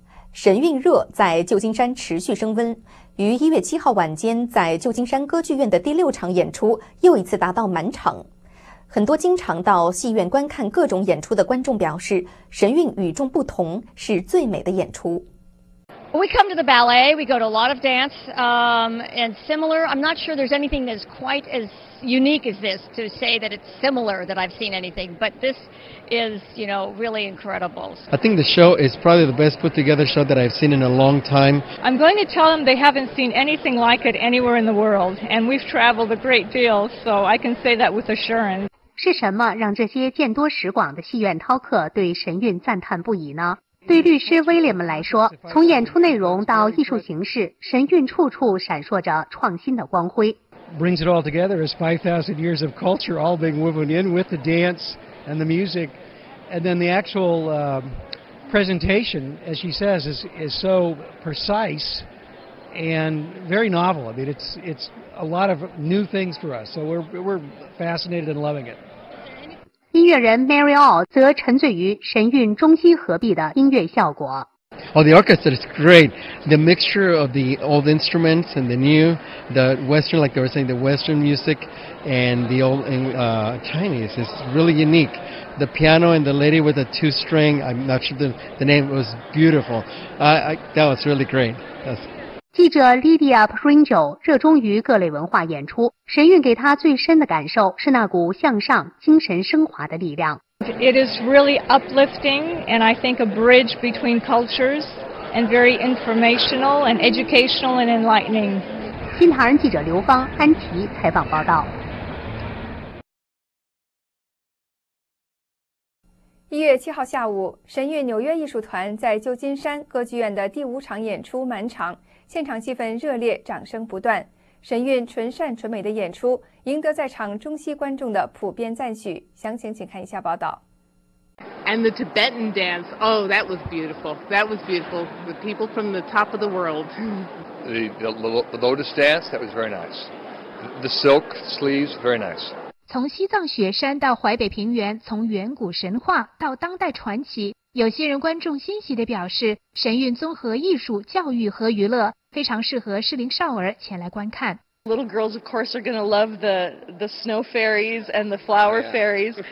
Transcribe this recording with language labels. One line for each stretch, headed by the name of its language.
Chinese: 神韵热在旧金山持续升温，于1月7号晚间在旧金山歌剧院的第六场演出又一次达到满场。很多经常到戏院观看各种演出的观众表示，神韵与众不同，是最美的演出。
English: We come to the ballet, we go to a lot of dance, and similar. I'm not sure there's anything that's quite as unique as this to say that it's similar that I've seen anything, but this is, you know, really incredible. I think the show is probably the best put together show that I've seen in a long time. I'm going to tell them they haven't seen anything like it anywhere in the world, and we've traveled a great deal, so I can say that with assurance.
Chinese: 是什么让这些见多识广的戏院饕客对神韵赞叹不已呢？对律师威廉姆来说，从演出内容到艺术形式，神韵处处闪烁着创新的光辉。
English: Brings it all together is 5,000 years of culture all being woven in with the dance and the music, and then the actual presentation, as she says, is so precise and very novel. I mean, it's a lot of new things for us, so we're fascinated and loving it.
Chinese: 音乐人 Mary All 则沉醉于神韵中西合璧的音乐效果。
English: Oh, the orchestra is great. The mixture of the old instruments and the new, the Western, like they were saying, the Western music and the old Chinese is really unique. The piano and the lady with the two string, I'm not sure the name, was beautiful. That was really great.
Chinese: 记者 Lydia Pringle 热衷于各类文化演出，神韵给她最深的感受是那股向上、精神升华的力量。
English: It is really uplifting and I think a bridge between cultures and very informational and educational and enlightening.
Chinese: 新唐人记者刘芳、安琪采访报道。 1月7号下午，神韵纽约艺术团在旧金山歌剧院的第五场演出满场，现场气氛热烈，掌声不断。神韵纯善纯美的演出赢得在场中西观众的普遍赞许，详情请看一下报道。
English: And the Tibetan dance, oh, that was beautiful. That was beautiful. The people from the top of the world. The lotus dance, that was very nice. The silk sleeves, very nice.
Chinese: 从西藏雪山到淮北平原，从远古神话到当代传奇，有些人观众欣喜地表示，神韵综合艺术、教育和娱乐，非常适合适龄少儿前来观看。
English: Little girls, of course, are going to love the snow fairies and the flower fairies.